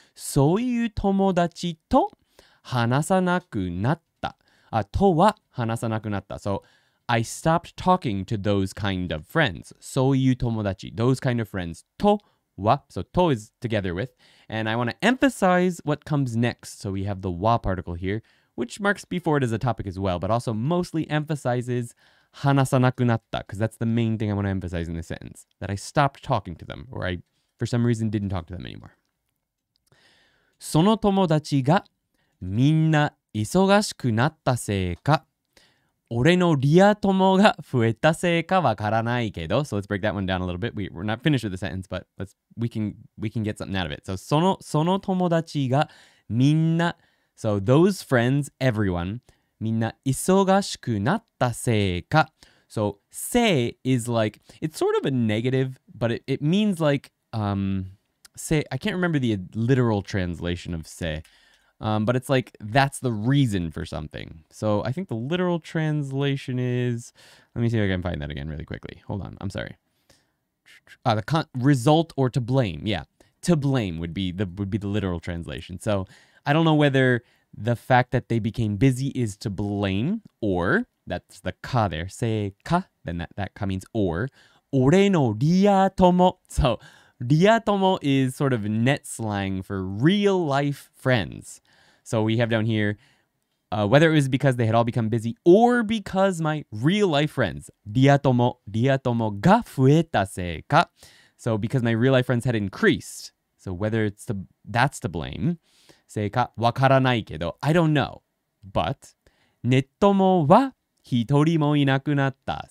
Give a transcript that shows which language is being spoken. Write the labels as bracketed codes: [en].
[ja] そういう友達と話さなくなった。あ、とは話さなくなった。 [en] So, I stopped talking to those kind of friends. [ja] そういう友達、 [en] those kind of friends とは。 So, to is together with. And I want to emphasize what comes next. So, we have the wa particle here, which marks before it as a topic as well, but also mostly emphasizes... [ja] 話さなくなった [en] because that's the main thing I want to emphasize in this sentence. That I stopped talking to them, or I, for some reason, didn't talk to them anymore. [ja] その友達がみんな忙しくなったせいか俺のリア友が増えたせいかわからないけど [en] So let's break that one down a little bit. We're not finished with the sentence, but we can get something out of it. So [ja] その友達がみんな [en] So those friends, everyone, [ja] みんな忙しくなったせいか。 [en] So, せい is like, it's sort of a negative, but it means like, せい, I can't remember the literal translation of せい, but it's like, that's the reason for something. So, I think the literal translation is, let me see if I can find that again really quickly. Hold on, I'm sorry. Result or to blame. Yeah, to blame would be the literal translation. So, I don't know whether... The fact that they became busy is to blame, or that's the ka there, say ka, then that ka means or. [ja] Ore no ria tomo. [en] So, ria tomo is sort of net slang for real life friends. So, we have down here whether it was because they had all become busy or because my real life friends, [ja] ria tomo ga fueta se ka. [en] So, because my real life friends had increased. So, whether it's that's to blame. [ja] せいかわからないけど [en] I don't know. But, [ja] ネットもは一人もいなくなった。